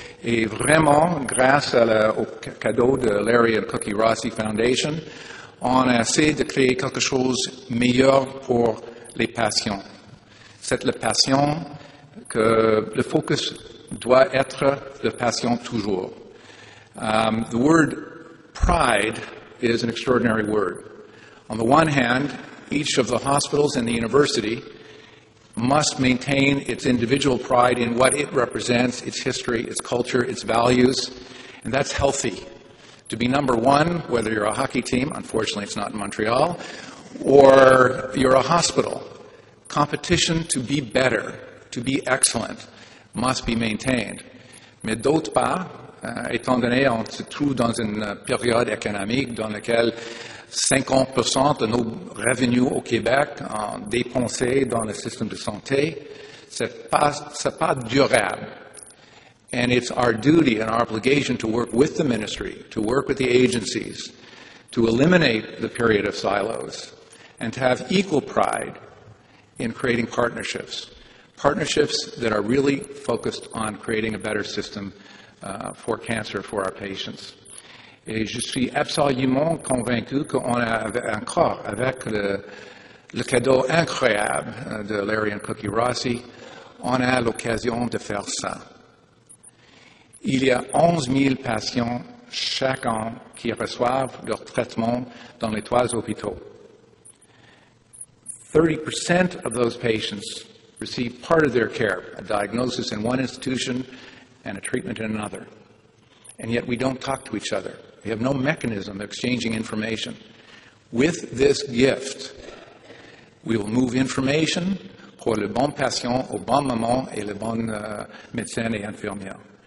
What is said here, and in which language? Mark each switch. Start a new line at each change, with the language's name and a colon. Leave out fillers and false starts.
French: Et vraiment, grâce au cadeau de Larry and Cookie Rossi Foundation, on a essayé de créer quelque chose de meilleur pour les patients. C'est le patient que le focus doit être le patient toujours.
English: The word pride is an extraordinary word. On the one hand, each of the hospitals and the university must maintain its individual pride in what it represents, its history, its culture, its values, and that's healthy. To be number one, whether you're a hockey team, unfortunately it's not in Montreal, or you're a hospital, competition to be better, to be excellent, must be maintained.
French: Mais d'autre part, étant donné qu'on se trouve dans une période économique dans laquelle 50% de nos revenus au Québec sont dépensés dans le système de santé, c'est pas durable.
English: And it's our duty and our obligation to work with the ministry, to work with the agencies, to eliminate the period of silos, and to have equal pride in creating partnerships. Partnerships that are really focused on creating a better system for cancer for our patients.
French: Et je suis absolument convaincu qu'on a encore, avec le cadeau incroyable de Larry and Cookie Rossi, on a l'occasion de faire ça. Il y a 11 000 patients chaque an qui reçoivent leur traitement dans les trois hôpitaux.
English: 30% of those patients receive part of their care, a diagnosis in one institution and a treatment in another. And yet we don't talk to each other. We have no mechanism of exchanging information. With this gift, we will move information
French: pour le bon patient au bon moment et le bon médecin et infirmière.